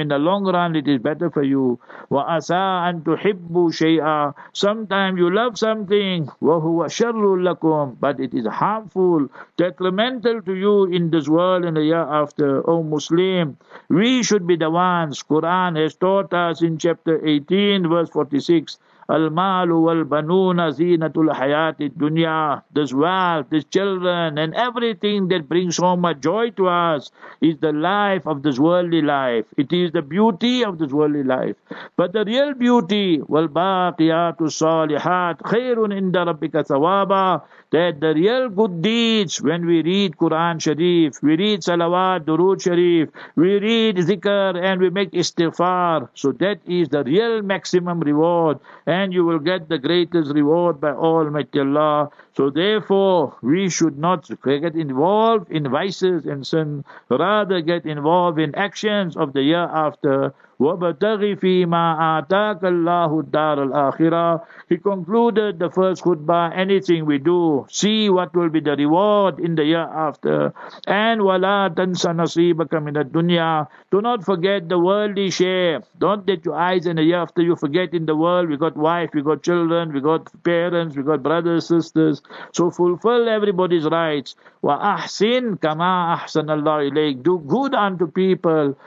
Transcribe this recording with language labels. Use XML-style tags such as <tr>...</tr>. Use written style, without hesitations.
<en>In the long run, it is better for you.</en> <ar>Wa asa an tuhibbu shay'a.</ar> <en>Sometime you love something.</en> <ar>Wa huwa sharrul lakum.</ar> <en>But it is harmful, detrimental to you in this world and the year after. O Muslim, we should be the ones. Quran has taught us in chapter 18, verse 46.</en> <ar>المال والبنون زينة الحياة الدنيا.</ar> <en>This wealth, these children, and everything that brings so much joy to us is the life of this worldly life. It is the beauty of this worldly life. But the real beauty,</en> <ar>والباقيات الصالحات خير عند ربك ثوابا.</ar> <en>That the real good deeds, when we read Quran Sharif, we read Salawat, Durood Sharif, we read Zikr, and we make Istighfar, so that is the real maximum reward, and you will get the greatest reward by Almighty Allah. So therefore, we should not get involved in vices and sin, rather get involved in actions of the year after.</en> <ar>وَبَتَغِ فِي مَا آتَاكَ اللَّهُ الدَّارَ الْآخِرَةِ.</ar> <en>He concluded the first khutbah, anything we do, see what will be the reward in the year after.</en> <ar>And وَلَا تَنْسَ نَصِيبَكَ مِنَ الدُّنْيَا.</ar> <en>Do not forget the worldly share. Don't let your eyes in the year after you forget in the world. We got wife, we got children, we got parents, we got brothers, sisters. So fulfill everybody's rights.</en> <ar>وَأَحْسِنْ كَمَا أَحْسَنَ اللَّهُ إِلَيْكَ.</ar> <en>Do good unto people.</en>